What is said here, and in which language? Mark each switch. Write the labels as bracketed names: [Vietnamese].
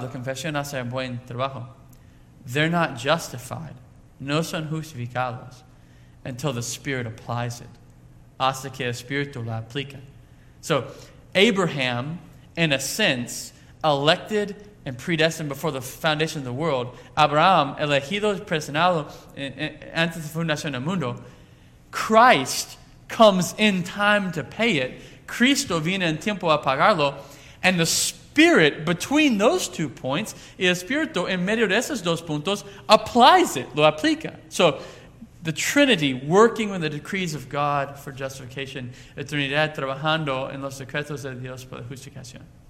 [English] The confession [Spanish] hace un buen trabajo. [English] They're not justified. [Spanish] No son justificados [English] until the Spirit applies it. [Spanish] Hasta que el Espíritu la aplica. [English] So, Abraham, in a sense, elected and predestined before the foundation of the world. [Spanish] Abraham, elegido y predestinado antes de fundación del mundo. [English] Christ comes in time to pay it. [Spanish] Cristo viene en tiempo a pagarlo. [English] And the Spirit, between those two points, [Spanish] el Espíritu, en medio de esos dos puntos, [English] applies it, [Spanish] lo aplica. [English] So, the Trinity working with the decrees of God for justification. [Spanish] La Trinidad trabajando en los secretos de Dios para la justificación.